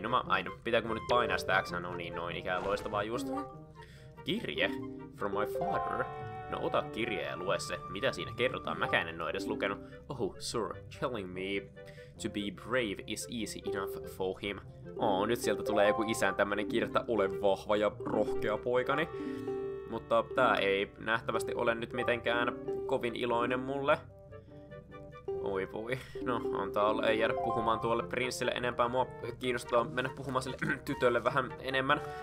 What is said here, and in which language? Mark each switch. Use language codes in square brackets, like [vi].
[fi] No mä aina, pitääkö mun nyt painaa sitä X:ää? No niin, noin ikään loistavaa just. Kirje [en] from my father. [fi] No ota kirje ja lue se. Mitä siinä kerrotaan? Mäkään en oo edes lukenut. [en] Oh, sir, telling me to be brave is easy enough for him. [fi] Oh, nyt sieltä tulee joku isän tämmönen kirje, että ole vahva ja rohkea poikani. Mutta tää ei nähtävästi ole nyt mitenkään kovin iloinen mulle. Oi voi. No, antaa olla. Ei jäädä puhumaan tuolle prinssille enempää. Mua kiinnostaa mennä puhumaan sille tytölle vähän enemmän.